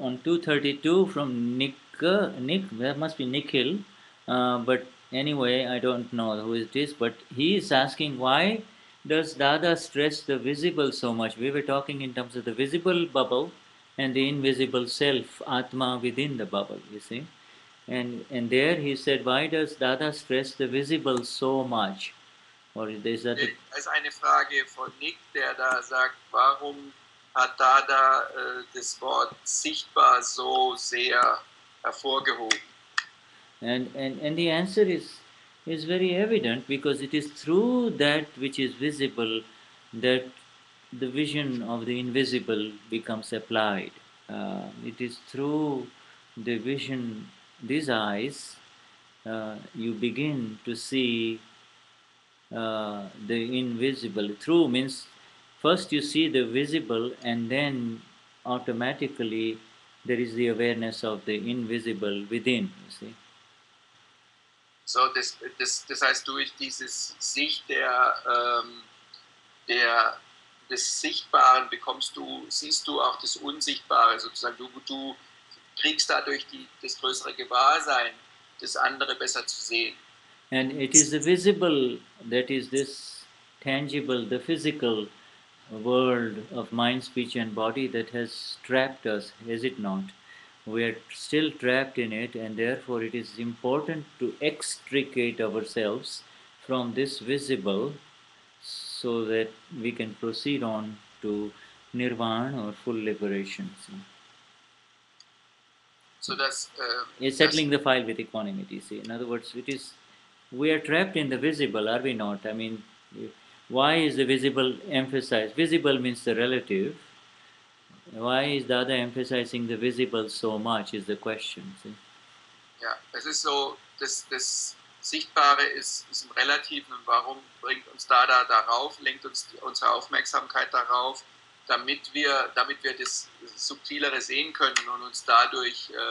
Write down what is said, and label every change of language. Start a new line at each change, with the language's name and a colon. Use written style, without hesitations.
English: On 232 from Nick, that must be Nikhil, but anyway, I don't know who it is, but he is asking, why does Dada stress the visible so much? We were talking in terms of the visible bubble and the invisible self, Atma, within the bubble, you see. And there he said, why does Dada stress the visible so much? Or is that it?
German: Es eine Frage von Nick, der da sagt, warum hat Dada das Wort sichtbar so sehr hervorgehoben?
English: And the answer is very evident, because it is through that which is visible that the vision of the invisible becomes applied. It is through the vision, these eyes, you begin to see the invisible. Through means first you see the visible, and then automatically there is the awareness of the invisible within, you see.
German: So das heißt, durch dieses Sicht des Sichtbaren siehst du auch das Unsichtbare, sozusagen. Du kriegst dadurch das größere Gewahrsein, das andere besser zu sehen.
English: And it is the visible, that is this tangible, the physical world of mind, speech and body, that has trapped us, is it not? We are still trapped in it, and therefore it is important to extricate ourselves from this visible so that we can proceed on to nirvana or full liberation. So that's... It's settling the file with equanimity, see. In other words, we are trapped in the visible, are we not? I mean, why is the visible emphasized? Visible means the relative. Why is Dada emphasizing the visible so much, is the question, see?
German: Ja, es ist so, das Sichtbare ist im Relativen, und warum bringt uns Dada darauf, lenkt uns unsere Aufmerksamkeit darauf, damit wir das Subtilere sehen können und uns dadurch